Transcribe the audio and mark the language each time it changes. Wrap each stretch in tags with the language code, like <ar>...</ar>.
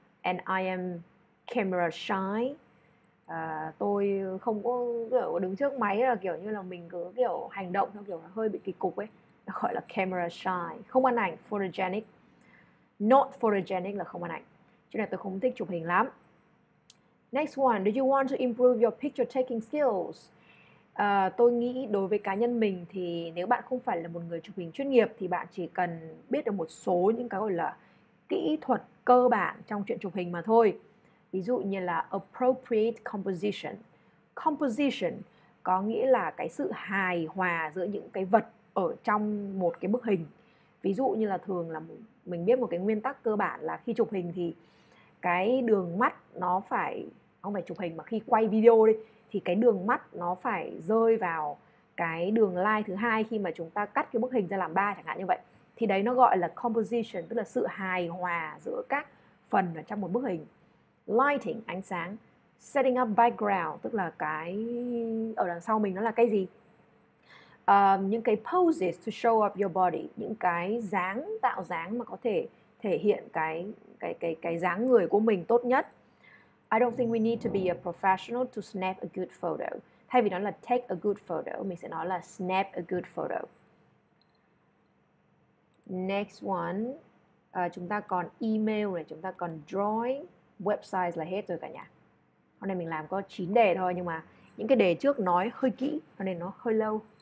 <en>And I am camera shy.</en> <vi>Tôi không có kiểu đứng trước máy là kiểu như là mình cứ kiểu hành động nó kiểu hơi bị kỳ cục ấy. Nó gọi là camera shy. Không ăn ảnh, photogenic.</vi> <en>Not photogenic</en> <vi>là không ăn ảnh. Cho nên tôi không thích chụp hình lắm.</vi> <en>Next one, do you want to improve your picture taking skills?</en> <vi>Tôi nghĩ đối với cá nhân mình thì nếu bạn không phải là một người chụp hình chuyên nghiệp thì bạn chỉ cần biết được một số những cái gọi là kỹ thuật cơ bản trong chuyện chụp hình mà thôi. Ví dụ như là appropriate composition. Composition có nghĩa là cái sự hài hòa giữa những cái vật ở trong một cái bức hình. Ví dụ như là thường là mình biết một cái nguyên tắc cơ bản là khi chụp hình thì cái đường mắt nó phải, không phải chụp hình mà khi quay video đi, thì cái đường mắt nó phải rơi vào cái đường line thứ hai khi mà chúng ta cắt cái bức hình ra làm ba chẳng hạn như vậy. Thì đấy nó gọi là composition, tức là sự hài hòa giữa các phần ở trong một bức hình. Lighting, ánh sáng. Setting up background, tức là cái ở đằng sau mình nó là cái gì? Những cái poses to show up your body, những cái dáng, tạo dáng mà có thể thể hiện cái dáng người của mình tốt nhất.</vi> <en>I don't think we need to be a professional to snap a good photo.</en> <vi>Thay vì nó là</vi> <en>take a good photo,</en> <vi>mình sẽ nói là</vi> <en>snap a good photo.</en> <vi>Next one, chúng ta còn email này, chúng ta còn drawing, website là hết rồi cả nhà. Hôm nay mình làm có 9 đề thôi, nhưng mà những cái đề trước nói hơi kỹ, cho nên nó hơi lâu.</vi>